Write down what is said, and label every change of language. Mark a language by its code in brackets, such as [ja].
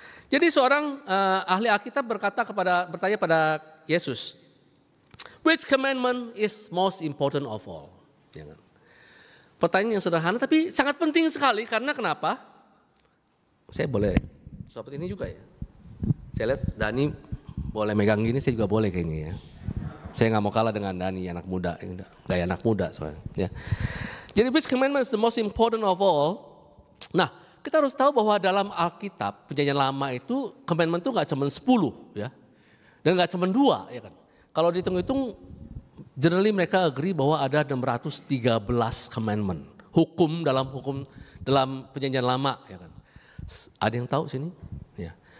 [id] Jadi seorang ahli Alkitab bertanya pada Yesus, [en] "Which commandment is most important of all?" [id] Ya kan? pertanyaan yang sederhana tapi sangat penting sekali. Karena kenapa? Saya boleh seperti ini juga ya. Saya lihat Dani boleh megang gini, saya juga boleh kayaknya ya. Saya nggak mau kalah dengan Dani, anak muda, gaya anak muda soalnya. Ya. Jadi [en] this commandment is the most important of all. [id] Nah, kita harus tahu bahwa dalam Alkitab Perjanjian Lama itu commandment itu nggak cuma 10 ya, dan nggak cuma 2 ya kan. Kalau dihitung-hitung, generally mereka agree bahwa ada 613 commandment, hukum dalam Perjanjian Lama ya kan. Ada yang tahu sini? Ya.